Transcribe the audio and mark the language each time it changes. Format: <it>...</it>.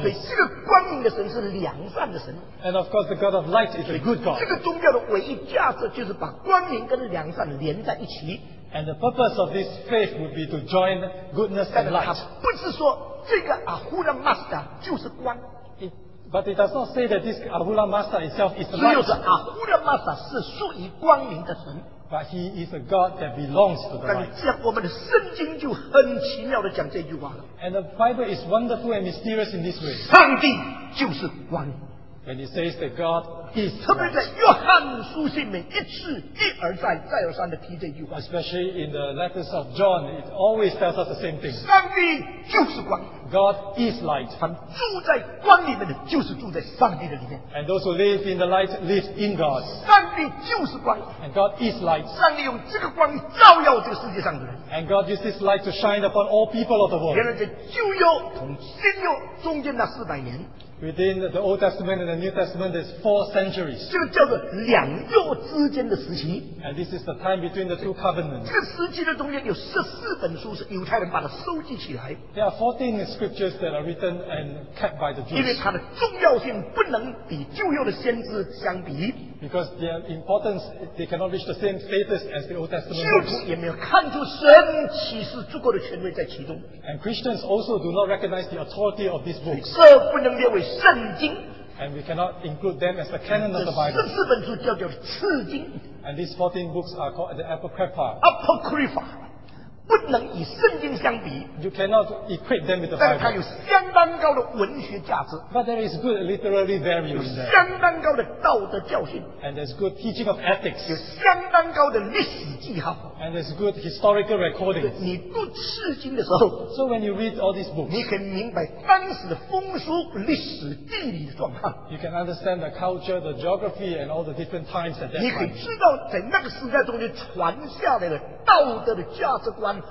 <zh>所以这个光明的神是良善的神。</zh> <en>And of course the god of light is a good god.</en> <zh>这个宗教的唯一价值就是把光明跟良善连在一起。</zh> <en>And the purpose of this faith would be to join goodness and light.</en> <zh>不是说这个 Ahura Mazda 就是光。</zh> <en>It But it does not say that this Ahura Mazda itself is light.</en> <zh>只有是 Ahura Mazda 是属于光明的神。</zh> <en>But he is a God that belongs to the light. And the Bible is wonderful and mysterious in this way.</en> <zh>上帝就是光。</zh> <en>When it says that God is light. Especially in the letters of John, it always tells us the same thing.</en> <zh>上帝就是光。</zh> <en>God is light.</en> <zh>他们住在光里面的就是住在上帝的里面。</zh> <en>And those who live in the light live in God.</en> <zh>上帝就是光。</zh> <en>And God is light.</en> <zh>上帝用这个光照耀这个世界上的人。</zh> <en>And God uses this light to shine upon all people of the world.</en> <zh>原来在旧约同新约中间那400年。</zh> <en>Within the Old Testament and the New Testament, there's 4 centuries.</en> <zh>这个叫做两约之间的时期。</zh> <en>And this is the time between the two covenants.</en> <zh>这个时期的中间有14本书是犹太人把它收集起来。</zh> <en>There are 14 scriptures that are written and kept by the Jews.</en> <zh>因为它的重要性不能比旧约的先知相比。</zh> <en>Because their importance, they cannot reach the same status as the Old Testament.</en> <zh>基督徒也没有看出神启示足够的权威在其中。</zh> <en>And Christians also do not recognize the authority of this book.</en> <zh>这不能列为圣经。</zh> <en>And we cannot include them as the canon of the Bible.</en> <zh>这14本书叫做次经。</zh> <en>And these 14 books are called the Apocrypha.</en> <zh>Apocrypha. 不能以圣经相比,</zh> <en>you cannot equate them with the Bible.</en> <zh>但它有相当高的文学价值,</zh> <en>but there is good literary value in there.</en> <zh>有相当高的道德教训,</zh> <en>and there's good teaching of ethics.</en> <zh>有相当高的历史记号,</zh> <en>and there's good historical recording.</en> <zh>你读次经的时候,</zh> <en>so when you read all these books,</en> <zh>你可以明白当时的风俗历史地理的状况,</zh> <en>you can understand the culture, the geography, and all the different times at that time.</en> <zh>你可以知道在那个时代中间传下来的道德的价值观,</zh>